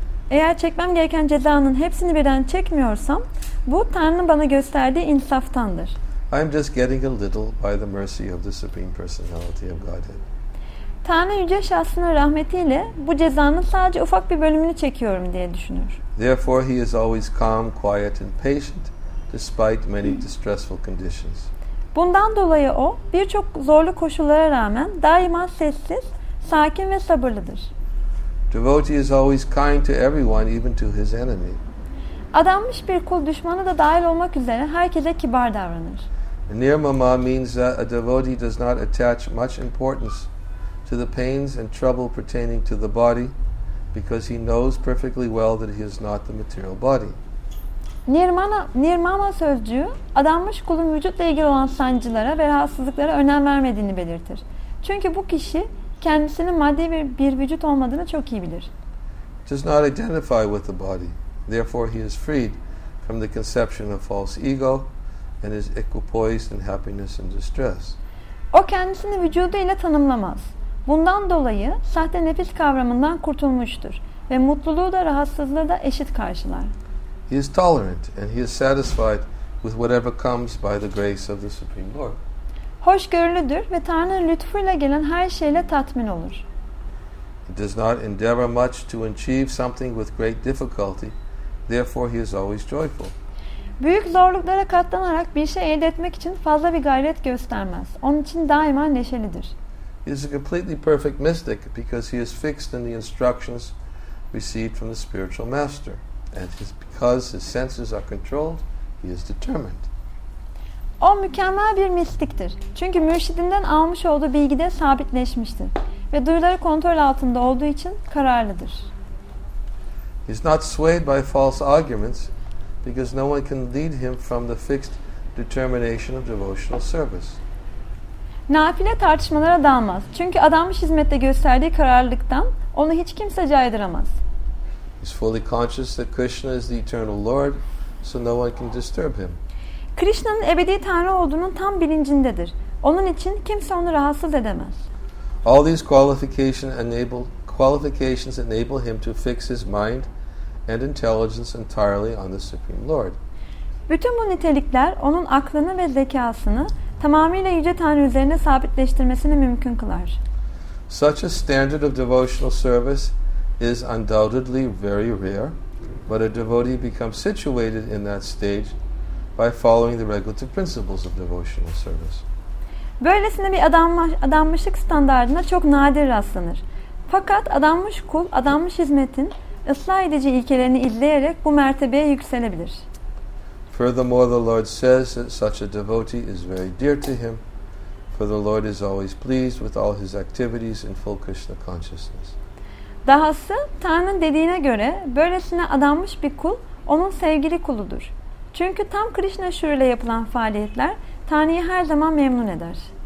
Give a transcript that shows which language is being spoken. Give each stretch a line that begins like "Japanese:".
Turkish: Eğer çekmem gereken cezanın hepsini birden çekmiyorsam bu Tanrı'nın bana gösterdiği insaftandır.
English: I am just getting a little by the mercy of the Supreme Personality of Godhead.
Turkish: Tanrı yüce şahsının rahmetiyle bu cezanın sadece ufak bir bölümünü çekiyorum diye düşünür.
English: Therefore he is always calm, quiet and patient despite many distressful conditions.
Turkish: Bundan dolayı o birçok zorlu koşullara rağmen daima sessiz, sakin ve sabırlıdır.
English: Devotee is always kind to everyone, even to his enemy.
Turkish: Adanmış bir kul düşmanı da dahil olmak üzere herkese kibar davranır.
English: Nirmama means that a devotee does not attach much importance to the pains and trouble pertaining to the body because he knows perfectly well that he is not the material body.
Turkish: Nirmama sözcüğü adanmış kulun vücutla ilgili olan sancılara ve rahatsızlıklara önem vermediğini belirtir. Çünkü bu kişi kendisinin maddi bir vücut olmadığını çok iyi bilir.
English: Does not identify with the body. Therefore he is freed from the conception of false ego and is equipoised in happiness and distress.
Turkish: O kendisini vücuduyla tanımlamaz. Bundan dolayı sahte nefis kavramından kurtulmuştur ve mutluluğu da rahatsızlığı da eşit karşılar.
English: He is tolerant and he is satisfied with whatever comes by the grace of the Supreme Lord.
Turkish: Hoşgörülüdür ve Tanrı'nın lütfuyla gelen her şeyle tatmin olur.
English: He does not endeavor much to achieve something with great difficulty. Therefore he is always joyful.
Turkish: Büyük zorluklara katlanarak bir şey elde etmek için fazla bir gayret göstermez. Onun için daima neşelidir.
English: He is a completely perfect mystic because he is fixed in the instructions received from the spiritual master. And because his senses are controlled, he is determined.
Turkish: O mükemmel bir mistiktir. Çünkü mürşidinden almış olduğu bilgide sabitleşmiştir. Ve duyuları kontrol altında olduğu için kararlıdır.
English: He is not swayed by false arguments because no one can lead him from the fixed determination of devotional service.
Turkish: Nafile tartışmalara dalmaz. Çünkü adanmış hizmette gösterdiği kararlılıktan onu hiç kimse caydıramaz.
English: He is fully conscious that Krishna is the eternal Lord, so no one can disturb him.
Turkish: Krishna'nın ebedi Tanrı olduğunun tam bilincindedir. Onun için kimse onu rahatsız edemez.
English: All these qualifications enable him to fix his mind and intelligence entirely on the Supreme Lord.
Turkish: Bütün bu nitelikler onun aklını ve zekasını tamamıyla Yüce Tanrı üzerine sabitleştirmesini mümkün kılar.
English: Such a standard of devotional service is undoubtedly very rare, but a devotee becomes situated in that stage by following the regulative principles of devotional service.
Turkish: Böylesine bir adanmışlık standardına çok nadir rastlanır. Fakat adanmış kul, adanmış hizmetin ıslah edici ilkelerini izleyerek bu mertebeye yükselebilir.
English: Furthermore, the Lord says that such a devotee is very dear to him, for the Lord is always pleased with all his activities in full Krishna consciousness.
Turkish: Dahası, Tanrı'nın dediğine göre, böylesine adanmış bir kul, onun sevgili kuludur. Çünkü tam Krishna şuuruyla yapılan faaliyetler, Tanrı'yı her zaman memnun eder.